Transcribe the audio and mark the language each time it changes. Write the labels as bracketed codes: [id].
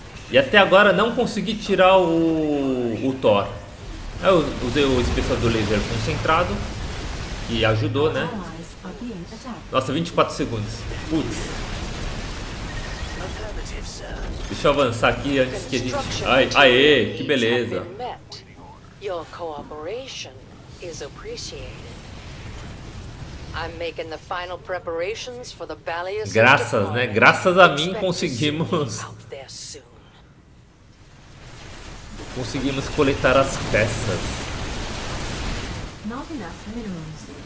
[pt] E até agora não consegui tirar o Thor. Aí eu usei o especial do laser concentrado, que ajudou, né? Nossa, 24 segundos. Putz. Deixa eu avançar aqui antes que a gente... Ai, aê, que beleza. [en] Your cooperation is appreciated. I'm making the final preparations for the Balias. [pt] Graças, né? Graças a mim conseguimos. Conseguimos coletar as peças. [en] Not enough minerals.